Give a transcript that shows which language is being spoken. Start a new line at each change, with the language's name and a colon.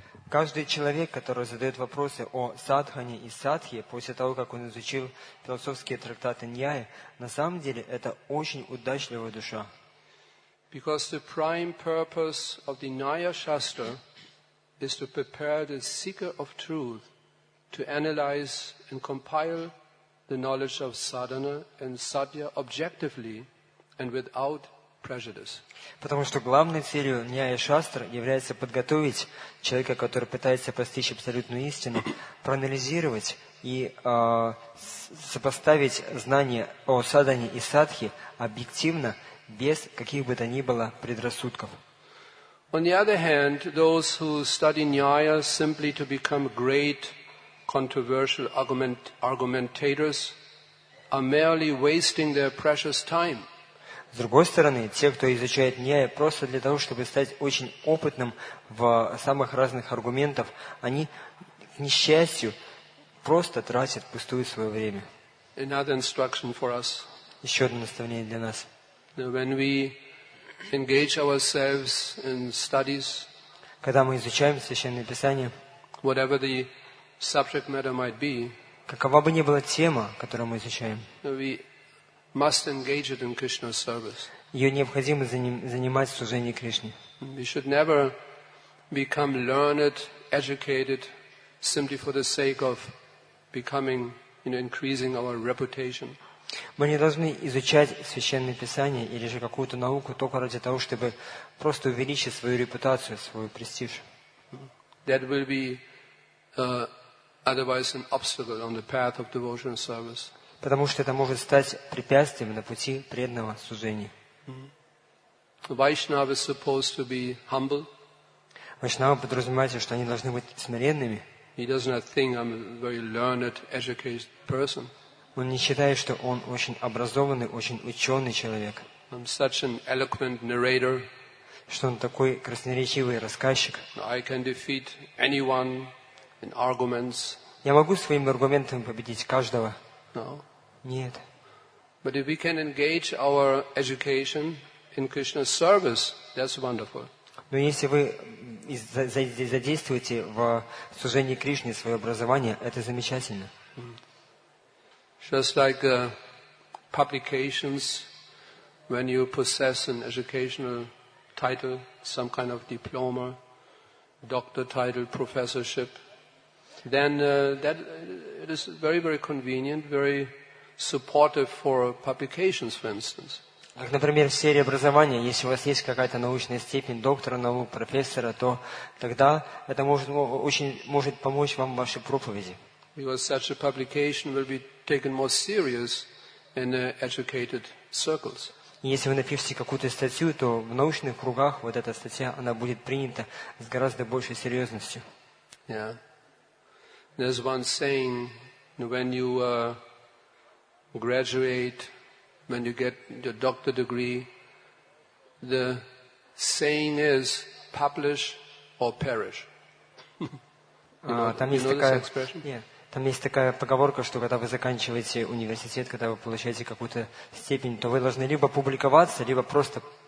Russian: Каждый человек, который задает вопросы о садхане и садхе, после того, как он изучил философские трактаты Ньяя, на самом деле это очень удачливая душа.
English: Because the prime purpose of the Nyaya Shastra is to prepare the seeker of truth to analyze and compile the knowledge of sadhana and satya objectively and without prejudice.
Russian: Потому что главной целью Ньяя Шастры является подготовить человека, который пытается постичь абсолютную истину, проанализировать и сопоставить знания о садхане и садхе объективно, без каких бы то ни было предрассудков.
English: On the other hand, those who study Ньяя simply to become great controversial argumentators are merely wasting their precious time.
Russian: С другой стороны, те, кто изучает Ньяя просто для того, чтобы стать очень опытным в самых разных аргументах, они, к несчастью, просто тратят пустую свое время.
English: Another instruction for us.
Russian: Еще одно наставление для нас.
English: When we engage ourselves in studies,
Russian: когда мы изучаем Священное Писание,
English: whatever the subject matter might be,
Russian: какова бы ни была тема, которую мы изучаем,
English: must engage it in Krishna's service.
Russian: Ее необходимо занимать в служении Кришне.
English: We should never become learned, educated, simply for the sake of becoming, increasing our reputation.
Russian: Мы не должны изучать Священное Писание или же какую-то науку только ради того, чтобы просто увеличить свою репутацию, свой престиж.
English: That will be otherwise an obstacle on the path of devotional service.
Russian: Потому что это может стать препятствием на пути преданного служения.
English: Vaishnava is supposed to be humble.
Russian: Vaishnava подразумевает, что они должны быть смиренными.
English: He does not think I'm a very learned, educated person.
Russian: Он не считает, что он очень образованный, очень ученый человек.
English: I'm such an eloquent narrator.
Russian: Что он такой красноречивый рассказчик.
English: I can defeat anyone in arguments.
Russian: Я могу своими аргументами победить каждого.
English: No.
Russian: Нет.
English: But if we can engage our education in Krishna's service, that's wonderful.
Russian: Но если вы задействуете в служении Кришне свое образование, это замечательно.
English: Just like publications, when you possess an educational title, some kind of diploma, doctor title, professorship, then that it is very, very convenient, very supportive for publications, for instance.
Russian: Как, например, в сфере образования, если у вас есть какая-то научная степень, доктора наук, профессора, то тогда это может помочь вам в вашей проповеди.
English: Because such a publication will be taken more serious in educated circles.
Russian: И если вы напишете какую-то статью, то в научных кругах вот эта статья, она будет принята с гораздо большей серьезностью.
English: Yeah. There's one saying, when you graduate, when you get your doctor degree, the saying is, publish or perish. You know this expression? Yeah.
Russian: Там есть такая поговорка, что когда вы заканчиваете университет, когда вы получаете какую-то степень, то вы должны либо публиковаться, либо просто